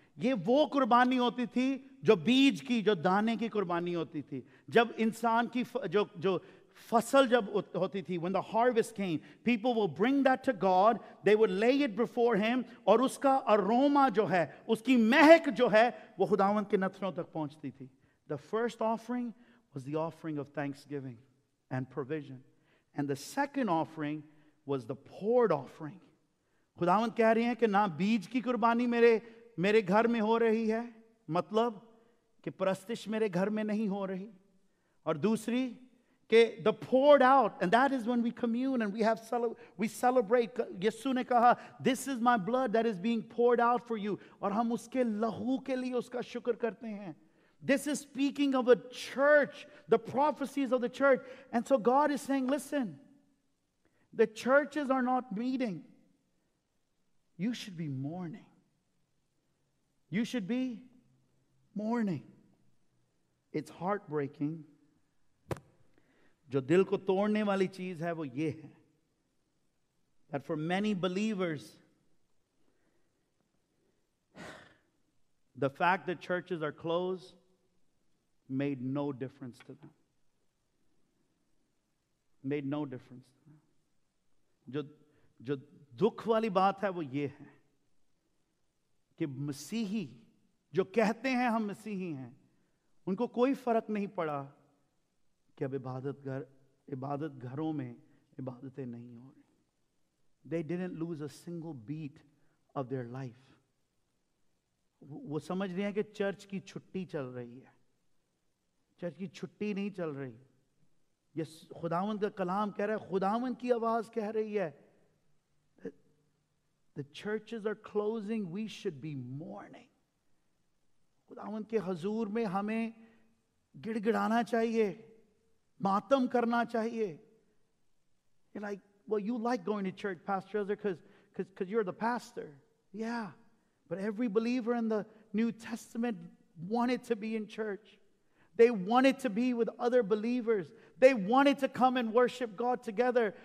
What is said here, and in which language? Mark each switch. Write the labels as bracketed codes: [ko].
[hi] ये वो कुर्बानी होती थी जो बीज की, जो दाने की कुर्बानी होती थी। जब इंसान की जो फसल जब होती थी, [en] when the harvest came, people will bring that to God, they would lay it before him, [hi] और उसका aroma जो है, उसकी महक जो है, वो खुदावंद के नथनों तक पहुंचती थी। [en] The first offering was the offering of thanksgiving and provision. And the second offering was the poured offering. [hi] खुदावंद कह रहे हैं कि ना बीज की कुर्बानी मेरे घर में हो रही है, मतलब कि परस्तिश मेरे घर में नहीं हो रही, और दूसरी के [en] the poured out, and that is when we commune and we celebrate. [hi] Yesu ne kaha, [en] this is my blood that is being poured out for you. [hi] Aur hum uske lahu ke liye uska shukr karte hain. [en] This is speaking of a church, the prophecies of the church. And so God is saying, listen, the churches are not meeting. You should be mourning. You should be mourning. It's heartbreaking. [hi] जो दिल को तोड़ने वाली चीज है वो ये है, [en] that for many believers, the fact that churches are closed made no difference to them. Made no difference to them. [hi] जो दुख वाली बात है वो ये है कि मसीही जो कहते हैं हम मसीही हैं, उनको कोई फर्क नहीं पड़ा कि अब इबादत घरों में इबादतें नहीं हो रही। [en] They didn't lose a single beat of their life. [hi] वो समझ रहे हैं कि चर्च की छुट्टी चल रही है, चर्च की छुट्टी नहीं चल रही। ये खुदावंद का कलाम कह रहा है, खुदावंद की आवाज कह रही है, [en] The churches are closing, we should be mourning. [hi] खुदावंद के हजूर में हमें गिड़गिड़ाना चाहिए, मातम करना चाहिए। [en] You're like, well, you like going to church, Pastor Azhar, because you're the pastor. Yeah, but every believer in the New Testament wanted to be in church. They wanted to be with other believers. They wanted to come and worship God together.